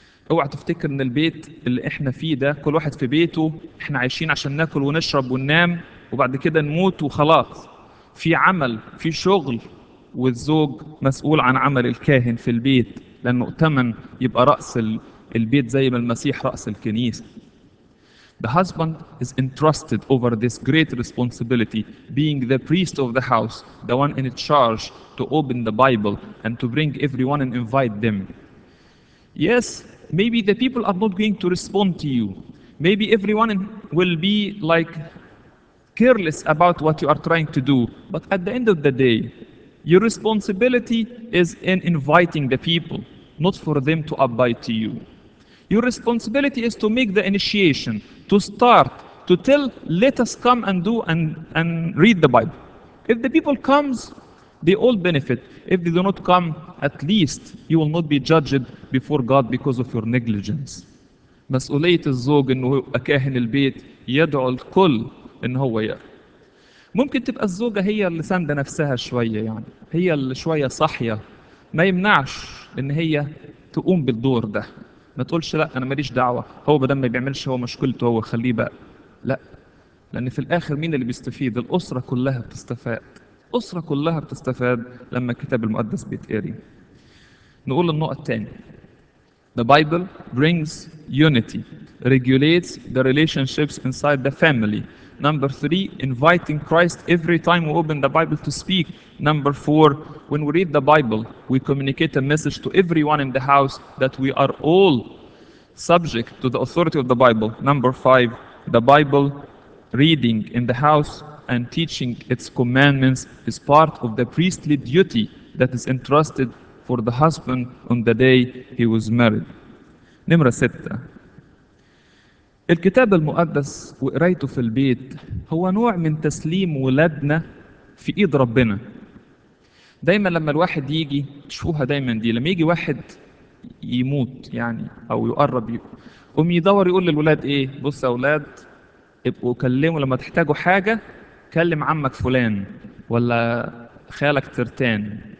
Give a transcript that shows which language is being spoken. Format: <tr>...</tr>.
<ar>اوعى تفتكر ان البيت اللي احنا فيه ده كل واحد في بيته، احنا عايشين عشان ناكل ونشرب وننام وبعد كده نموت وخلاص. في عمل، في شغل، والزوج مسؤول عن عمل الكاهن في البيت لأنه ائتمن يبقى رأس البيت زي ما المسيح رأس الكنيسة.</ar> <en>The husband is entrusted over this great responsibility, being the priest of the house, the one in charge to open the Bible and to bring everyone and invite them. Yes, maybe the people are not going to respond to you. Maybe everyone will be like careless about what you are trying to do. But at the end of the day, your responsibility is in inviting the people, not for them to abide to you. Your responsibility is to make the initiation, to start, to tell, let us come and do and read the Bible. If the people comes, they all benefit. If they do not come, at least you will not be judged before God because of your negligence.</en> <ar>مسؤولية الزوج إنه كاهن البيت يدعو الكل إن هو يقرأ. ممكن تبقى الزوجة هي اللي ساندة نفسها شوية، يعني هي اللي شوية صحية، ما يمنعش ان هي تقوم بالدور ده. ما تقولش لا انا ماليش دعوة، هو بدل ما بيعملش هو مشكلته هو، خليه بقى. لا، لان في الاخر مين اللي بيستفيد؟ الاسرة كلها بتستفاد، الاسرة كلها بتستفاد لما الكتاب المقدس بيتقري. نقول النقطة التانية.</ar> <en>The Bible brings unity, regulates the relationships inside the family. Number three, inviting Christ every time we open the Bible to speak. Number four, when we read the Bible, we communicate a message to everyone in the house that we are all subject to the authority of the Bible. Number five, the Bible reading in the house and teaching its commandments is part of the priestly duty that is entrusted for the husband on the day he was married.</en> <ar>نمرة ستة. الكتاب المقدس وقرايته في البيت هو نوع من تسليم ولادنا في ايد ربنا. دايما لما الواحد يجي، تشوفوها دايما دي، لما يجي واحد يموت يعني او يقرب، قوم يدور يقول للولاد ايه؟ بص يا اولاد، ابقوا كلموا لما تحتاجوا حاجه، كلم عمك فلان ولا خالك ترتان.</ar>